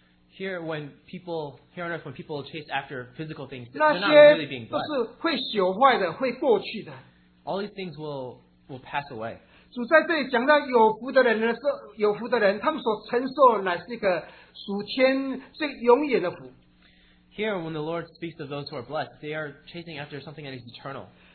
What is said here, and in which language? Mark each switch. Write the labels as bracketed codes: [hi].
[en] Here, when people, here on earth, when people chase after physical things, they're not really being blessed. All these things will pass away. [zh] 主在这里讲到有福的人呢，是有福的人，他们所承受乃是一个属天最永远的福。 [en] Here, when the Lord speaks of those who are blessed, they are chasing after something that is eternal.